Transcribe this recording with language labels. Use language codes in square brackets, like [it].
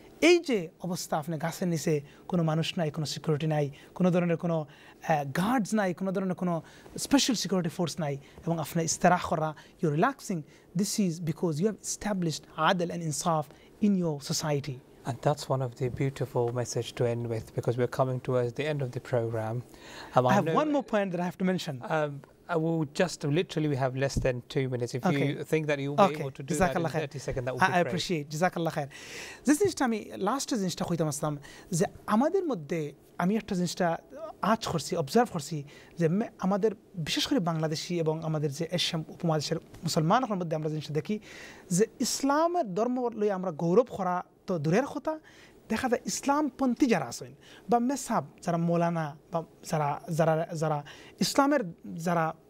[bn] এই যে অবস্থা আপনি গাছের নিচে কোনো মানুষ নাই, কোনো সিকিউরিটি নাই, কোনো ধরনের কোনো গার্ডস নাই, কোনো ধরনের কোনো স্পেশাল সিকিউরিটি ফোর্স নাই এবং আপনি ইস্তারাহ করা, [en] You relaxing, this is because you have established আদল and ইনসাফ in your society. And that's one of the beautiful message to end with, because we're coming towards the end of the program. I have one more point that I have to mention. We have less than 2 minutes. If you think that you'll be able to do that in 30 seconds, that would be great. I appreciate. Jazakallah khair. This is the last thing that I have to say. In our day, I have to say that I observe that [bn] আমাদের বিশেষ করে বাংলাদেশি এবং আমাদের যে Asia উপমহাদেশের মুসলমানের মধ্যে আমরা জিনিসটা দেখি যে ইসলামের ধর্ম লই আমরা গৌরব করা তো দূরের কথা, দেখা যায় ইসলামপন্থী যারা আছেন বা মেসাব যারা মৌলানা বা যারা যারা যারা ইসলামের যারা